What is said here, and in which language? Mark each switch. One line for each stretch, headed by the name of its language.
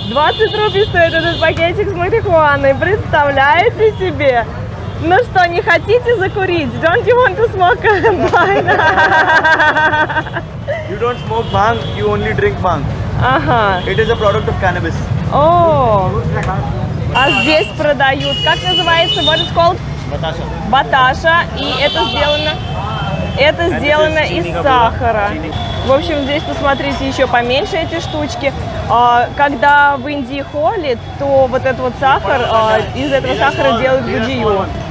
Russian: 20 рупий стоит этот пакетик с марихуаной, представляете себе? Ну что, не хотите закурить?
English: Don't you want to smoke a blunt? You don't smoke bhang, you only drink bhang.
Russian: Ага.
English: It is a product of cannabis.
Russian: О, а здесь продают, как называется,
English: what is called?
Russian: Баташа. Баташа, и это сделано... Это сделано из сахара. В общем, здесь посмотрите еще поменьше эти штучки. Когда в Индии холит, то вот этот вот сахар, из этого сахара делают гуджию.